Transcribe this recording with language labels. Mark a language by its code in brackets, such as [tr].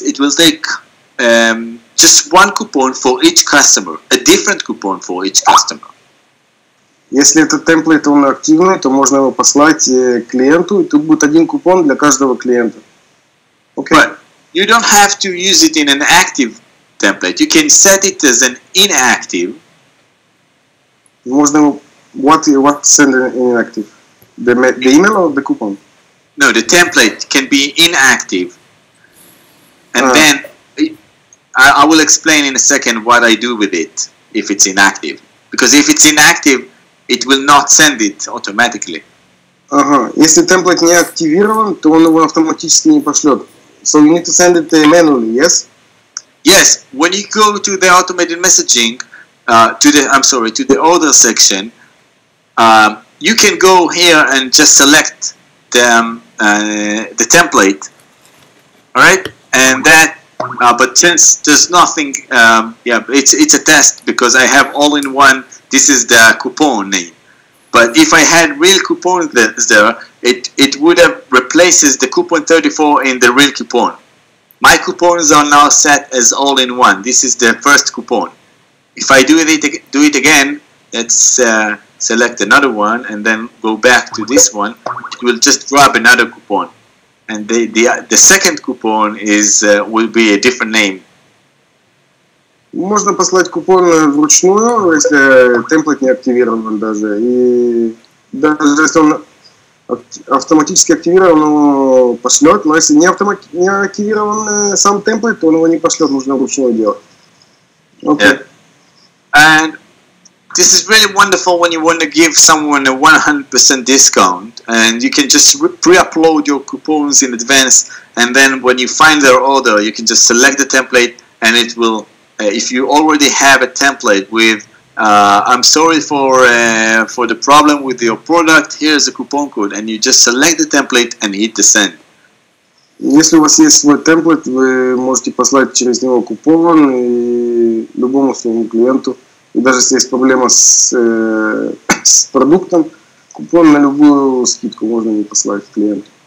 [en] It will take just one coupon for each customer, a different coupon for each customer. [ru] Если этот template он активный, то можно его послать клиенту, и тут будет один купон для каждого клиента. [en] Okay. But you don't have to use it in an active template. You can set it as an inactive. [ru] Можно [en] what send an inactive? The email or the coupon? No, the template can be inactive. And then I will explain in a second what I do with it if it's inactive. Because if it's inactive, it will not send it automatically. [ru] Ага. Если template не активирован, то он его автоматически не пошлёт. [en] So you need to send it manually, yes? Yes, when you go to the automated messaging, to the order section, you can go here and just select the template, all right? And that, but since there's nothing, it's a test because I have all in one, this is the coupon name. But if I had real coupons there, it would have replaces the coupon 34 in the real coupon. My coupons are now set as all in one. This is the first coupon. If I do it again, let's select another one and then go back to this one. It will just grab another coupon, and the second coupon is will be a different name. [ru] Можно послать купон вручную, если темплейт не активирован даже. И даже если он автоматически активирован, он пошлет. Но если не активирован сам темплейт, то он его не пошлет, нужно вручную делать. [en] Okay. Yeah. And this is really wonderful when you want to give someone a 100% discount, and you can just pre-upload your coupons in advance, and then when you find their order, you can just select the template, and it will. If you already have a template with, I'm sorry for the problem with your product. Here's a coupon code, and you just select the template and hit the send. [ru] Если у вас есть свой template, вы можете послать через него купон и любому своему клиенту. И даже если есть проблема с продуктом, купон на любую скидку можно не послать клиенту.